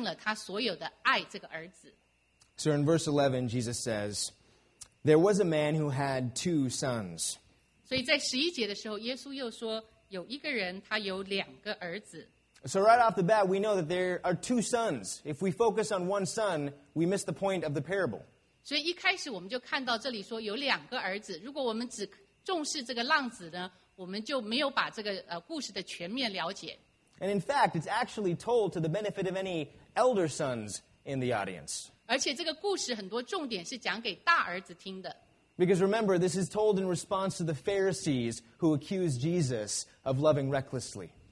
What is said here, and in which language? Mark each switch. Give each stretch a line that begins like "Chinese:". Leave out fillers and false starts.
Chinese: 重心是在说，这个故事的重心是说，这个父亲他毫不吝惜的，花尽了他所有的爱这个儿子。
English: So in verse 11, Jesus says, "There was a man who had two sons."
Chinese: 所以在十一节的时候，耶稣又说，有一个人他有两个儿子。
English: So right off the bat, we know that there are two sons. If we focus on one son, we miss the point of the parable.
Chinese: 所以一开始我们就看到这里说有两个儿子，如果我们只重视这个浪子呢，我们就没有把这个故事的全面了解。
English: And in fact, it's actually told to the benefit of any elder sons in the audience.
Chinese: 而且这个故事很多重点是讲给大儿子听的。
English: Because remember, this is told in response to the Pharisees who accused Jesus of loving recklessly.